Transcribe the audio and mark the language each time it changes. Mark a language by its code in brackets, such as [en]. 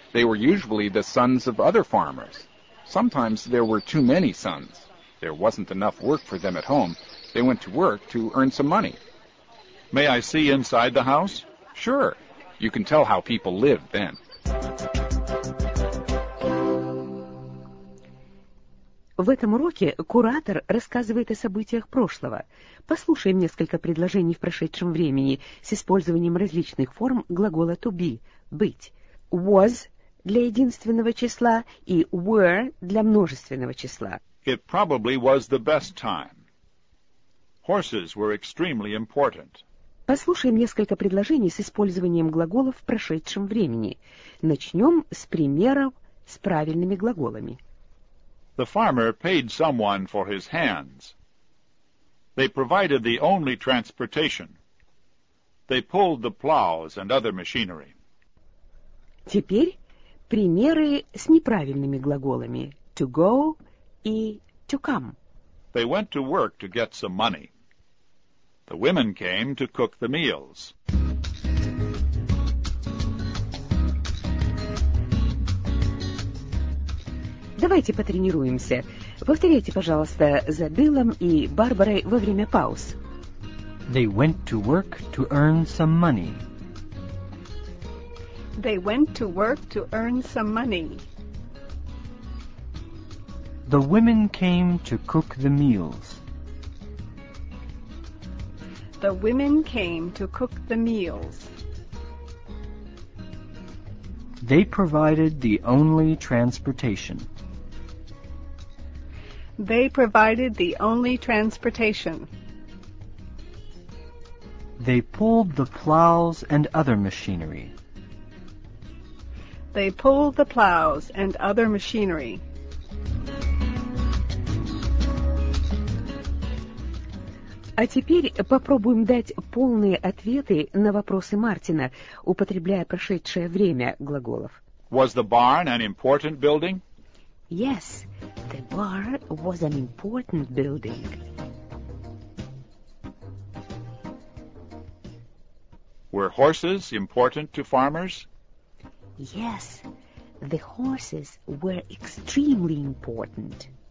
[en] They were usually the sons of other farmers. Sometimes there were too many sons. There wasn't enough work for them at home. They went to work to earn some money. May I see inside the house? Sure. You can tell how people lived then. [ru] В этом уроке куратор рассказывает о событиях прошлого. Послушаем несколько предложений в прошедшем времени с использованием различных форм глагола [en] to be [ru] – быть. Was – для единственного числа и were – для множественного числа. [en] It probably was the best time. Horses were extremely important. [ru] Послушаем несколько предложений с использованием глаголов в прошедшем времени. Начнем с примеров с правильными глаголами. [en] The farmer paid someone for his hands. They provided the only transportation. They pulled the plows and other machinery. [ru] Теперь примеры с неправильными глаголами [en] to go [ru] и [en] to come. They went to work to get some money. The women came to cook the meals. [ru] Давайте потренируемся. Повторяйте, пожалуйста, за Биллом и Барбарой во время пауз. [en] They went to work to earn some money. They went to work to earn some money. The women came to cook the meals. The women came to cook the meals. They provided the only transportation. They provided the only transportation. They pulled the plows and other machinery. They pulled the plows and other machinery. [ru] А теперь попробуем дать полные ответы на вопросы Мартина, употребляя прошедшее время глаголов. [en] Was the barn an important building? Yes, the barn was an important building. Were horses important to farmers? Yes, the horses were extremely important.